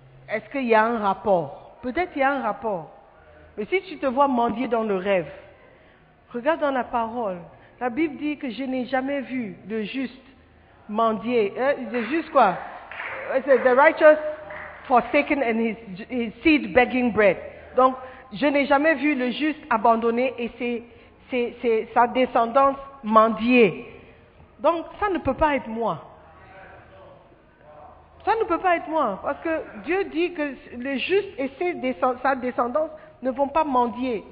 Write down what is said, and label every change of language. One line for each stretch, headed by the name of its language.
French: Est-ce qu'il y a un rapport? Peut-être qu'il y a un rapport. Mais si tu te vois mendier dans le rêve, regarde dans la parole. La Bible dit que je n'ai jamais vu de juste mendier, c'est juste quoi? C'est
English: the righteous forsaken and his seed begging bread.
French: Donc, je n'ai jamais vu le juste abandonné et sa descendance mendier. Donc, ça ne peut pas être moi. Ça ne peut pas être moi. Parce que Dieu dit que le juste et sa descendance ne vont pas mendier.